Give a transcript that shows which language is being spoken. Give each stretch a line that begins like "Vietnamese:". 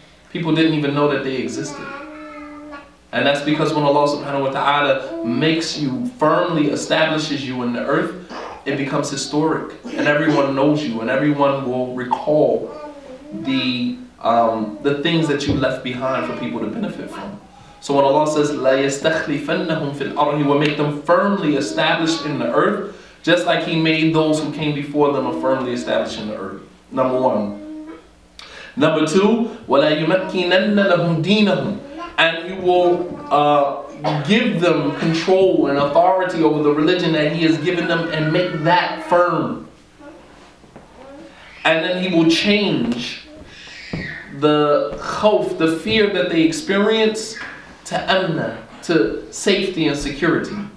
English: People didn't even know that they existed. And that's because when Allah subhanahu wa ta'ala makes you, firmly establishes you in the earth, it becomes historic and everyone knows you and everyone will recall the things that you left behind for people to benefit from. So when Allah says,
Arabic: لَيَسْتَخْلِفَنَّهُمْ فِي الْأَرْضِ,
English: He will make them firmly established in the earth, just like He made those who came before them firmly established in the earth. Number one. Number two,
Arabic: وَلَا يُمَكِّنَنَّ لَهُمْ دِينَهُمْ.
English: And He will give them control and authority over the religion that He has given them and make that firm. And then He will change the khawf, the fear that they experience, to amna, to safety and security.